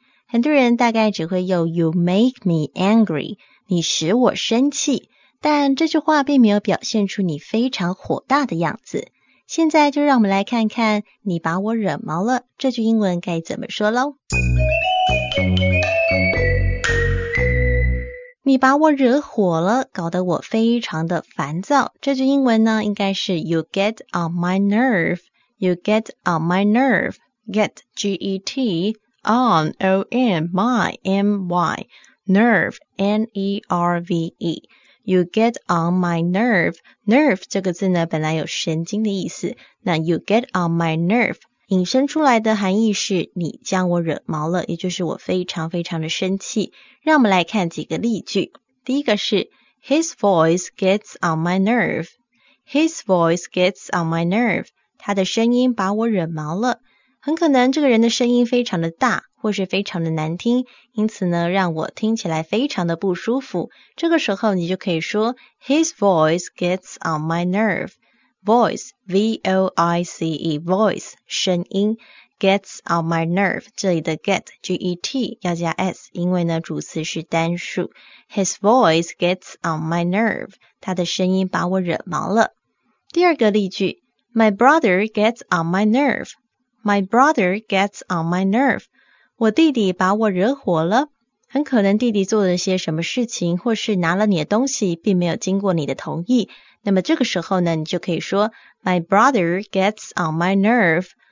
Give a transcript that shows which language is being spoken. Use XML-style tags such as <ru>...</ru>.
<zh>很多人大概只会用</zh> <en>You make me angry，</en> <zh>你使我生气，但这句话并没有表现出你非常火大的样子。现在就让我们来看看你把我惹毛了这句英文该怎么说咯。你把我惹火了，搞得我非常的烦躁。这句英文呢，应该是</zh> <en>You get on my nerve. You get on my nerve. Get, G-E-T, on, O-N, my, M-Y, nerve, N-E-R-V-E. You get on my nerve.</en> <zh>Nerve 这个字呢，本来有神经的意思。那</zh> <en>You get on my nerve</en> <zh>引申出来的含义是你将我惹毛了，也就是我非常非常的生气。让我们来看几个例句。第一个是</zh> <en>His voice gets on my nerve. His voice gets on my nerve.</en> <zh>他的声音把我惹毛了。很可能这个人的声音非常的大，或是非常的难听，因此呢，让我听起来非常的不舒服。这个时候你就可以说</zh> <en>His voice gets on my nerve. Voice, V-O-I-C-E, voice,</en> <zh>声音</zh> <en>gets on my nerve.</en> <zh>这里的 get, G-E-T, 要加 S, 因为呢，主词是单数。</zh> <en>His voice gets on my nerve.</en> <zh>他的声音把我惹毛了。第二个例句</zh> <en>My brother gets on my nerve. My brother gets on my nerve.</en> <zh>我弟弟把我惹火了。很可能弟弟做了些什么事情，或是拿了你的东西，并没有经过你的同意。那么这个时候呢，你就可以说</zh> <en>My brother gets on my nerve.</en>